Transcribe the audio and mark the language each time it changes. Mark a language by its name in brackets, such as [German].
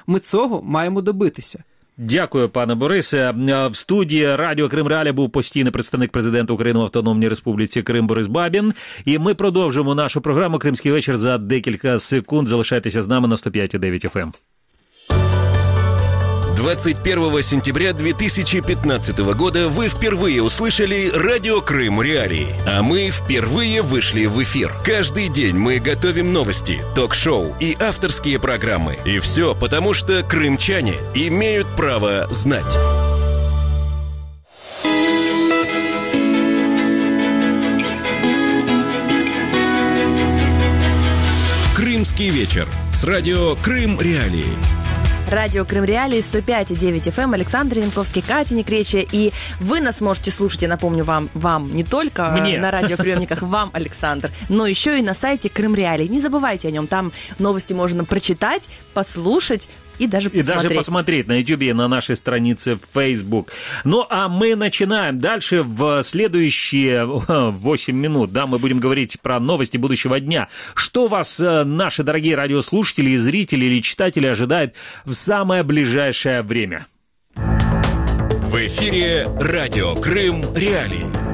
[Ukrainian] Ми цього маємо добитися. Дякую, пане Борисе. В студії Радіо Крим Реалі був постійний представник президента України в Автономній Республіці Крим Борис Бабін. І ми продовжимо нашу програму «Кримський вечір» за декілька секунд. Залишайтеся з нами на 105.9 FM. [Russian] 21 сентября 2015 года вы впервые услышали Радио Крым Реалии, а мы впервые вышли в эфир. Каждый день мы готовим новости, ток-шоу и авторские программы. И все потому, что крымчане имеют право знать. Крымский вечер с Радио Крым Реалии. Радио Крым Реалии, 105.9 FM, Александр Янковский, Катя Некречия. И вы нас можете слушать, я напомню вам, не только мне на радиоприемниках, вам, Александр, но еще и на сайте Крым Реалии. Не забывайте о нем, там новости можно прочитать, послушать. И даже посмотреть. И даже посмотреть на YouTube, на нашей странице в Facebook. Ну, а мы начинаем. Дальше в следующие 8 минут, да, мы будем говорить про новости будущего дня. Что вас, наши дорогие радиослушатели, и зрители, или читатели ожидают в самое ближайшее время? В эфире Радио Крым Реалии.